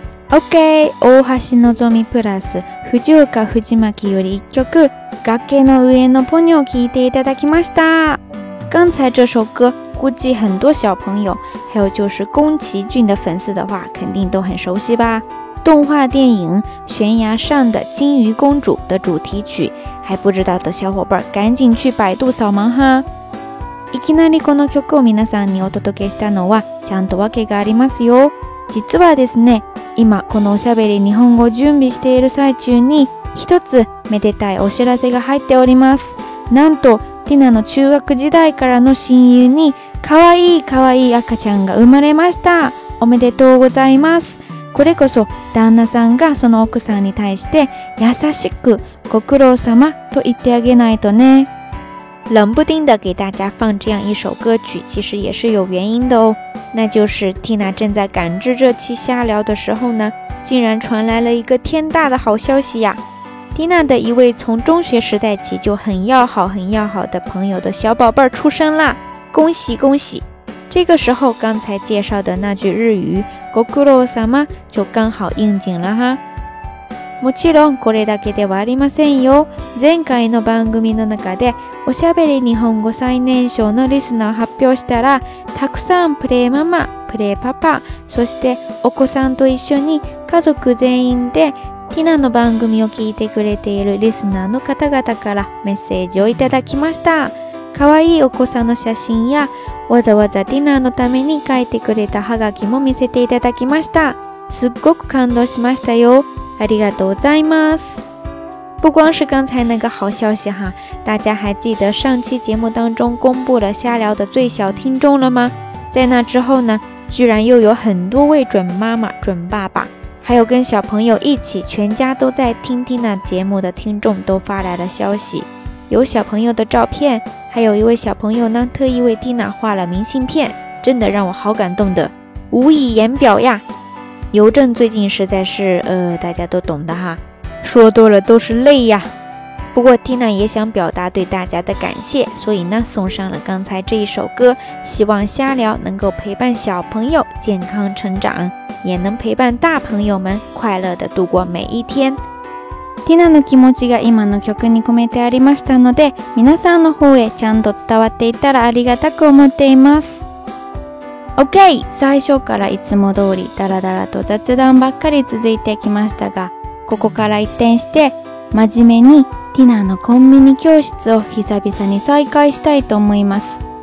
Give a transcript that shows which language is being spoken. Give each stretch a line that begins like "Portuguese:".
Japanese: OK! 大橋のぞみプラス藤岡藤巻より一曲崖の上のポニョを聴いていただきました。
Chinese: 刚才这首歌，估计很多小朋友，还有就是宫崎骏的粉丝的话，肯定都很熟悉吧。动画电影《悬崖上的金鱼公主》的主题曲，还不知道的小伙伴赶紧去百度扫盲哈。
Japanese: いきなりこの曲を皆さんにお届けしたのはちゃんと訳がありますよ。実はですね、今このおしゃべり日本語準備している最中に一つめでたいお知らせが入っております。なんとティナの中学時代からの親友にかわいいかわいい赤ちゃんが生まれました。おめでとうございます。これこそ旦那さんがその奥さんに対して優しくご苦労様と言ってあげないとね。
Chinese: 冷不丁的给大家放这样一首歌曲，其实也是有原因的哦。那就是 Tina 正在赶制这期瞎聊的时候呢，竟然传来了一个天大的好消息呀。 Tina 的一位从中学时代起就很要好很要好的朋友的小宝贝儿出生啦，恭喜恭喜。这个时候刚才介绍的那句日语ご苦労様就刚好应景了哈。
Japanese: もちろんこれだけではありませんよ。前回の番組の中でおしゃべり日本語最年少のリスナーを発表したら、たくさんプレイママ、プレイパパ、そしてお子さんと一緒に家族全員でティナの番組を聞いてくれているリスナーの方々からメッセージをいただきました。可愛いお子さんの写真やわざわざティナのために書いてくれたハガキも見せていただきました。すっごく感動しましたよ。ありがとうございます。
Chinese: 不光是刚才那个好消息哈，大家还记得上期节目当中公布了瞎聊的最小听众了吗？在那之后呢，居然又有很多位准妈妈、准爸爸，还有跟小朋友一起全家都在听听那节目的听众都发来了消息，有小朋友的照片，还有一位小朋友呢特意为听那画了明信片，真的让我好感动的，无以言表呀。邮政最近实在是大家都懂的哈，说多了都是泪呀。不过 Tina 也想表达对大家的感谢，所以呢送上了刚才这一首歌，希望瞎聊能够陪伴小朋友健康成长，也能陪伴大朋友们快乐的度过每一天。
Japanese: Tina の気持ちが今の曲に込めてありましたので、皆さんの方へちゃんと伝わっていたらありがたく思っています。 OK、 最初からいつも通りダラダラと雑談ばっかり続いてきましたが、ここから一転して真面目にティナのコンビニ教室を久々に再開したいと思います。